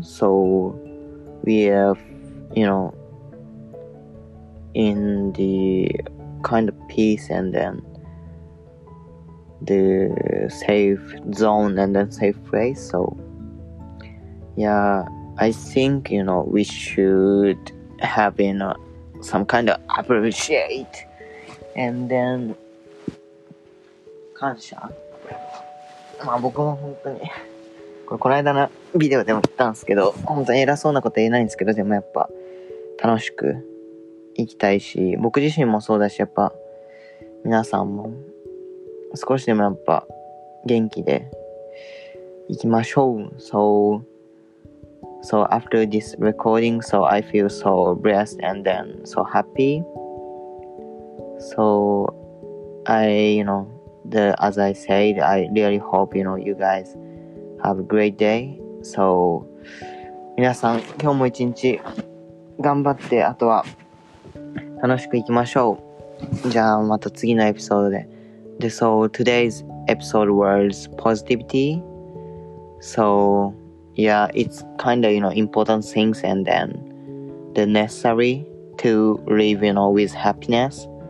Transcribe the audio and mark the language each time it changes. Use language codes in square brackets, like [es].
[en] So we have, you know, in the kind of peace and then the safe zone and then safe place. So yeah, I think, you know, we should have, you know, some kind of appreciate and then 感謝。 [ja] まあ僕も本当にこれ、この間のビデオでも言ったんですけど、本当に偉そうなこと言えないんですけど、でもやっぱ楽しく生きたいし、僕自身もそうだし、やっぱ皆さんも少しでもやっぱ元気で行きましょう。 [en] So after this recording, so I feel so blessed and then so happy. So I, you know, as I said, I really hope, you know, you guys have a great day. [ja] So 皆さん今日も一日頑張って、あとは楽しく行きましょう。じゃあまた次のエピソードで。 [en] で、So today's episode was positivity. So yeah, it's kind of, you know, important things and then the necessary to live, you know, with happiness.